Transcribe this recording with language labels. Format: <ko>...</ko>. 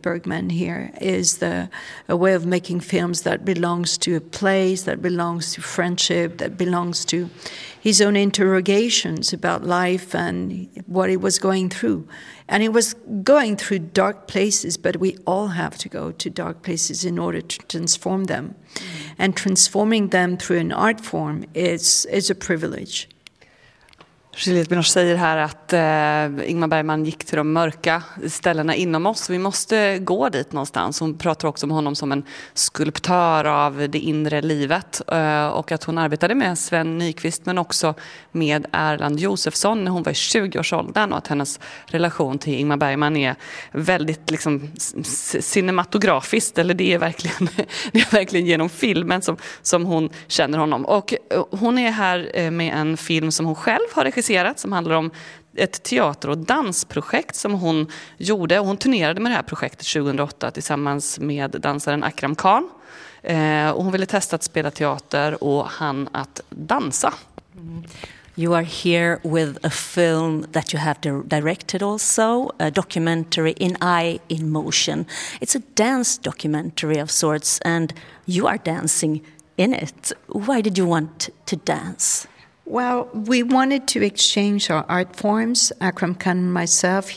<en>Bergman here is a way of making films that belongs to a place, that belongs to friendship, that belongs to his own interrogations about life and what he was going through. And he was going through dark places, but we all have to go to dark places in order to transform them. Mm. And transforming them through an art form is a privilege.</en> <sv>Juliette Binoche säger här att Ingmar Bergman gick till de mörka ställena inom oss. Vi måste gå dit någonstans. Hon pratar också om honom som en skulptör av det inre livet. Och att hon arbetade med Sven Nykvist men också med Erland Josefsson när hon var i 20-årsåldern. Och att hennes relation till Ingmar Bergman är väldigt liksom, cinematografiskt. Eller det är verkligen, genom filmen som hon känner honom. Och hon är här med en film som hon själv har regisserat. Som handlar om ett teater- och dansprojekt som hon gjorde. Hon turnerade med det här projektet 2008 tillsammans med dansaren Akram Khan. Och hon ville testa att spela teater och han att dansa.</sv> <en>You are here with a film that you have directed also, a documentary In Eye in Motion. It's a dance documentary of sorts and you are dancing in it. Why did you want to dance? Well, we wanted to exchange our art forms, Akram Khan and myself.</en>